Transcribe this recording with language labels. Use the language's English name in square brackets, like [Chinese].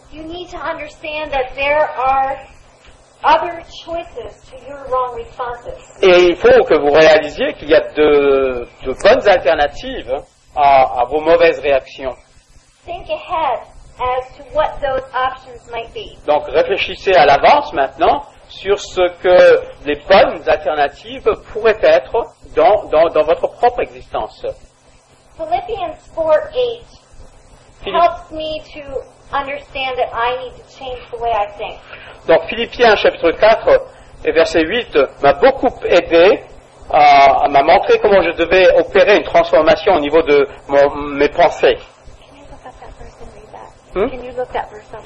[English] You need to understand that there are other choices to your wrong responses. [French] Et il faut que vous réalisiez qu'il y a de bonnes alternatives à vos mauvaises réactions. [English] Think ahead as to what those options might be. [French] Donc, réfléchissez à l'avance maintenant sur ce que les bonnes alternatives pourraient être dans votre propre existence. [English] Philippiens 4:8 helps me to understand that I need to change the way I think. [French] Donc Philippiens chapitre 4 et verset 8 m'a beaucoup aidé à m'a montré comment je devais opérer une transformation au niveau de mes pensées. [English] Can you look that verse and read that? Can you look that verse up?